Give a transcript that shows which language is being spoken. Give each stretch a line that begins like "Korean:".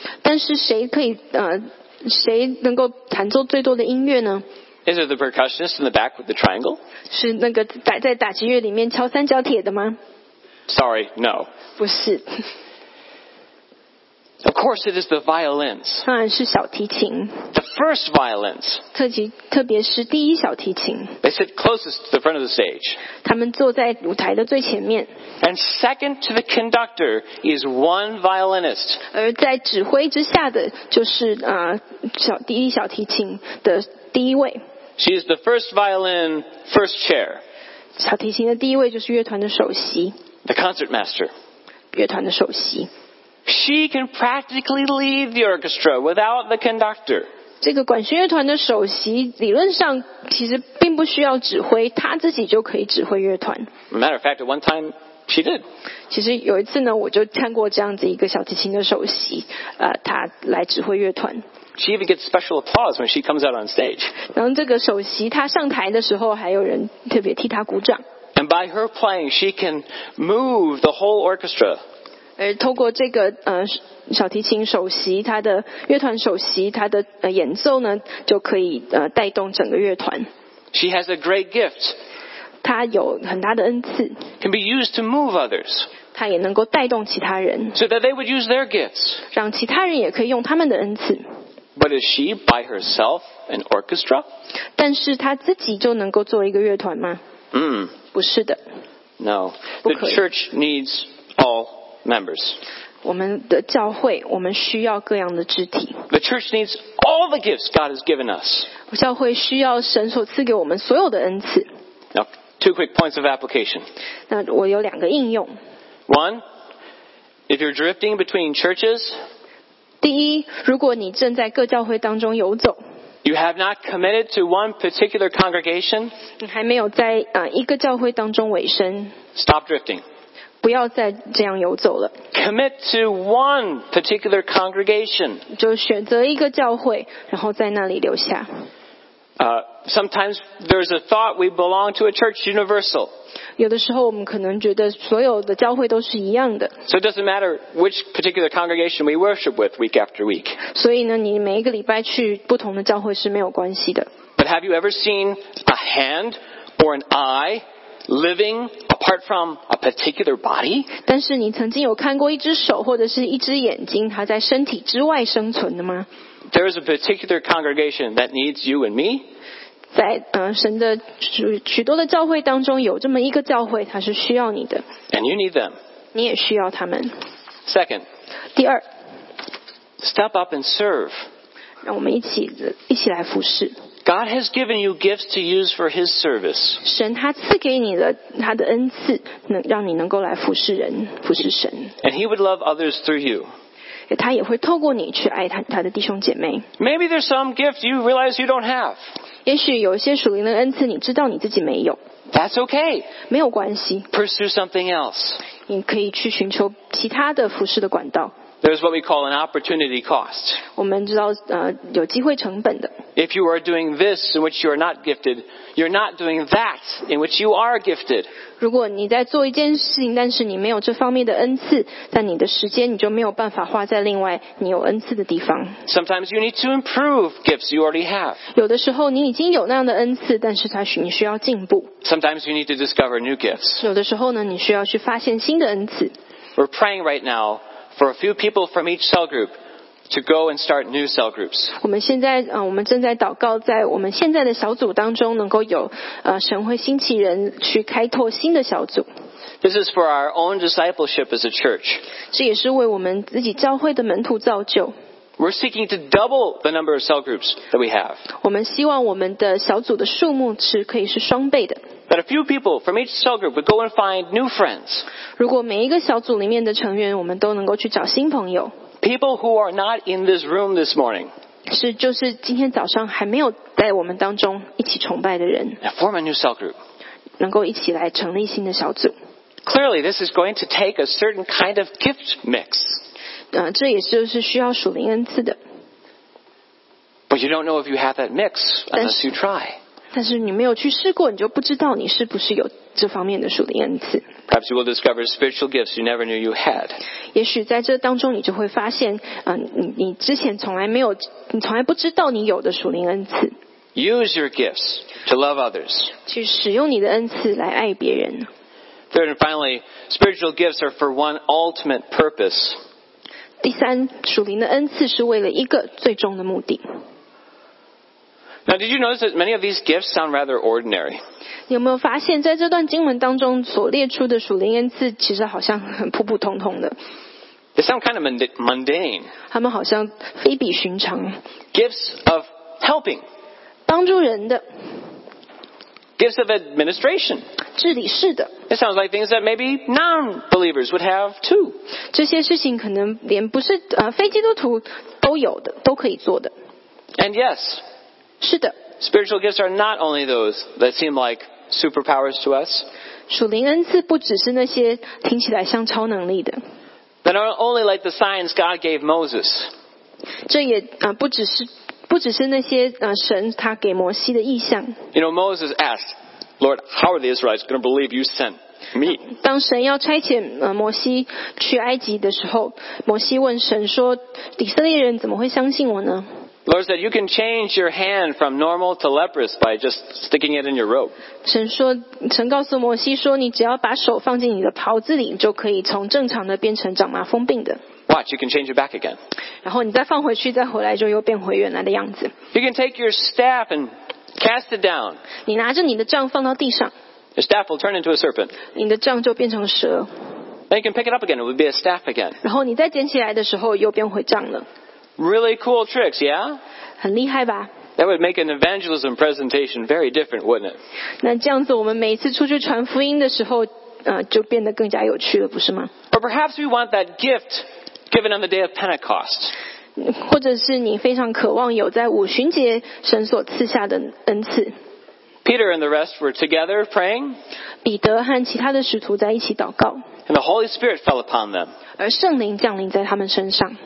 Chinese: 但是谁能够弹奏最多的音乐呢？
English: Is it the percussionist in the back with the triangle?
Chinese: 是那个打在打击乐里面敲三角铁的吗？
English: Sorry, no.
Chinese: 不是。
English: Of course, it is the violins.
Chinese: 当然是小提琴。
English: The first violins.
Chinese: 特别是第一小提琴。
English: They sit closest to the front of the stage.
Chinese: 他们坐在舞台的最前面。
English: And second to the conductor is one violinist.
Chinese: 而在指挥之下的就是第一小提琴的第一位。
English: She is the first violin, first chair.
Chinese: 小提琴的第一位就是乐团的首席。
English: The concertmaster.
Chinese: 乐团的首席。
English: She can practically lead the orchestra without the conductor.
Chinese: 这个管弦乐团的首席理论上其实并不需要指挥，他自己就可以指挥乐团。
English: Matter of fact, at one time she did.
Chinese: 其实有一次呢，我就看过这样子一个小提琴的首席，他来指挥乐团。
English: She even gets special applause when she comes out on stage.
Chinese: 然后这个首席他上台的时候，还有人特别替他鼓掌。
English: And by her playing, she can move the whole orchestra.
Chinese: 而透过这个小提琴首席，他的乐团首席，他的演奏呢，就可以带动整个乐团。
English: She has a great gift.
Chinese: 他有很大的恩赐。
English: Can be used to move others.
Chinese: 他也能够带动其他人。
English: So that they would use their gifts.
Chinese: 让其他人也可以用他们的恩赐。
English: But is she by herself an orchestra?
Chinese: 但是他自己就能够做一个乐团吗？不是的。
English: No. The church needs all. Members.
Chinese: 我们的教会，我们需要各样的肢体。
English: The church needs all the gifts God has given us.
Chinese: 教会需要神所赐给我们所有的恩赐。
English: Now, two quick points of application.
Chinese: 那我有两个应用。
English: One, if you're drifting between churches,
Chinese: 第一，如果你正在各教会当中游走。
English: You have not committed to one particular congregation.
Chinese: 你还没有在一个教会当中委身。
English: Stop drifting.
Chinese: 不要再这样游走了。
English: Commit to one particular congregation.
Chinese: 就选择一个教会，然后在那里留下。
English: Sometimes there's a thought we belong to a church universal.
Chinese: 有的时候我们可能觉得所有的教会都是一样的。
English: So it doesn't matter which particular congregation we worship with week after week.
Chinese: 所以呢，你每一个礼拜去不同的教会是没有关系的。
English: But have you ever seen a hand or an eye? Living apart from a particular body?
Chinese: 但是你曾经有看过一只手或者是一只眼睛它在身体之外生存的吗?
English: There is a particular congregation that needs you and me.
Chinese: 在神的许多的教会当中有这么一个教会它是需要你的。
English: And you need them.
Chinese: 你也需要他们。
English: Second.
Chinese: 第二。
English: Step up and serve.
Chinese: 让我们一起来服侍。
English: God has given you gifts to use for His service.
Chinese: 神他赐给你的他的恩赐，能让你能够来服侍人，服侍神。
English: And He would love others through you.
Chinese: 他也会透过你去爱他的弟兄姐妹。
English: Maybe there's some gift you realize you don't have.
Chinese: 也许有一些属灵的恩赐，你知道你自己没有。
English: That's okay.
Chinese: 没有关系。
English: Pursue something else.
Chinese: 你可以去寻求其他的服侍的管道。
English: There's what we call an opportunity cost.
Chinese: 我们知道有机会成本的。
English: If you are doing this in which you are not gifted, you're not doing that in which you are gifted.
Chinese: 如果你在做一件事情，但是你没有这方面的恩赐，但你的时间你就没有办法花在另外你有恩赐的地方。
English: Sometimes you need to improve gifts you already have.
Chinese: 有的时候你已经有那样的恩赐，但是它你需要进步。
English: Sometimes you need to discover new gifts.
Chinese: 有的时候呢，你需要去发现新的恩赐。
English: We're praying right now. For a few people from each cell group to go and start new cell groups.
Chinese: 我们现在我们正在祷告，在我们现在的小组当中，能够有神会兴起人去开拓新的小组。
English: This is for our own discipleship as a church.
Chinese: 这也是为我们自己教会的门徒造就。
English: We're seeking to double the number of cell groups that we have.
Chinese: 我们希望我们的小组的数目是可以是双倍的。
English: That a few people from each cell group would go and find new friends.
Chinese: 如果每一个小组里面的成员，我们都能够去找新朋友。
English: People who are not in this room this morning.
Chinese: 是，就是今天早上还没有在我们当中一起崇拜的人。
English: And form a new cell group.
Chinese: 能够一起来成立新的小组。
English: Clearly, this is going to take a certain kind of gift mix.
Chinese: 这也就是需要属灵恩赐的。
English: But you don't know if you have that mix unless you try.
Chinese: 但是你没有去试过，你就不知道你是不是有这方面的属灵恩赐。
English: Perhaps you will discover spiritual gifts you never knew you had.
Chinese: 也许在这当中，你就会发现，你之前从来没有，你从来不知道你有的属灵恩赐。
English: Use your gifts to love others.
Chinese: 去使用你的恩赐来爱别人。
English: Third and finally, spiritual gifts are for one ultimate purpose.
Chinese: 第三，属灵的恩赐是为了一个最终的目的。
English: Now, did you notice that many of these gifts sound rather ordinary?
Chinese: 你有没有发现，在这段经文当中所列出的属灵恩赐，其实好像很普普通通的。
English: They sound kind of mundane.
Chinese: 他们好像非比寻常。
English: Gifts of helping.
Chinese: 帮助人的。
English: Gifts of administration.
Chinese: 治理事的。
English: It sounds like things that maybe non-believers would have too.
Chinese: 这些事情可能连不是非基督徒都有的，都可以做的。
English: And yes.
Chinese: 是的
English: Spiritual gifts are not only those that seem like superpowers to us.
Chinese: 属灵恩赐不只是那些听起来像超能力的。
English: They are only like the signs God gave Moses.
Chinese: 这也不只是那些神他给摩西的异象。
English: You know, Moses asked, Lord, how are the Israelites going to believe you sent me?
Chinese: 当神要差遣摩西去埃及的时候，摩西问神说，以色列人怎么会相信我呢？
English: Lord said, you can change your hand from normal to leprous by just sticking it in your robe.
Chinese: 神告诉摩西说，你只要把手放进你的袍子里，就可以从正常的变成长麻风病的。
English: Watch, you can change it back again.
Chinese: 然后你再放回去，再回来就又变回原来的样子。
English: You can take your staff and cast it down.
Chinese: 你拿着你的杖放到地上。
English: Your staff will turn into a serpent.
Chinese: 你的杖就变成蛇。
English: Then you can pick it up again, it will be a staff again.
Chinese: 然后你再捡起来的时候，又变回杖了。
English: Really cool tricks, yeah?
Chinese: 很厉害吧?
English: That would make an evangelism presentation very different, wouldn't it?
Chinese: 那这样子我们每一次出去传福音的时候就变得更加有趣了，不是吗?
English: But perhaps we want that gift given on the day of Pentecost.
Chinese: 或者是你非常渴望有在五旬节神所赐下的恩赐。
English: Peter and the rest were together praying.
Chinese: 彼得和其他的使徒在一起祷告。
English: And the Holy Spirit fell upon them.
Chinese: 而圣灵降临在他们身上。